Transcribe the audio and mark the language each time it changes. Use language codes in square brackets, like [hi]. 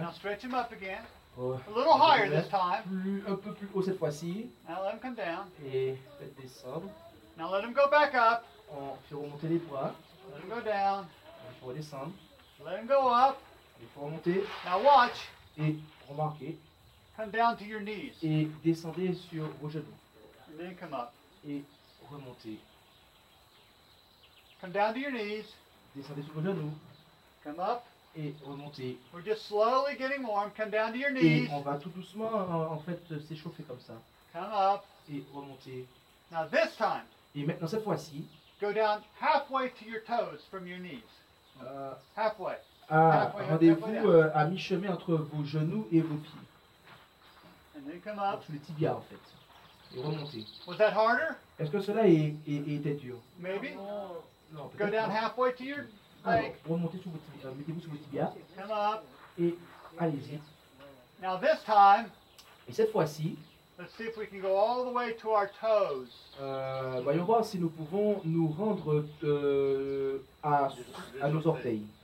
[en] Now stretch him up again. A little higher this time. [fr] Un peu plus haut cette fois-ci. [en] Now let him come down. [fr] Et faites descendre. [en] Now let him go back up. [fr] On fait remonter les bras. [en] Let him go down. [fr] On fait redescendre. [en] Let him go up. [fr] Il faut remonter. [en] Now watch. [fr] Et remarquez. [en] Come down to your knees. [fr] Et descendez sur vos genoux. [en] And then come up. [fr] Et remontez. [en] Come down to your knees. [fr] Descendez sur vos genoux. [en] Come up. [fr] Et remontez. [en] We're just slowly getting warm. Come down to your knees. [fr] Et on va tout doucement en fait s'échauffer comme ça. [en] Come up. [fr] Et remontez. [en] Now this time. [fr] Et maintenant cette fois-ci. [en] Go down halfway to your toes from your knees. Halfway. [fr] Rendez-vous à mi-chemin entre vos genoux et vos pieds. [en] And then come up. [fr] Entre les tibias en fait. Et remontez. [en] Was that harder? [fr] Est-ce que cela était dur? [en] Maybe. [fr] Non, [en] go down [fr] non. [en] Halfway to your leg. [fr] Alors, remontez sur vos tibias. Mettez-vous sur vos tibias. [en] Come up. [fr] Et allez-y. [en] Now this time. [fr] Et cette fois-ci. [en] Let's see if we can go all the way to our toes. [fr] Voyons voir si nous pouvons nous rendre à nos orteils.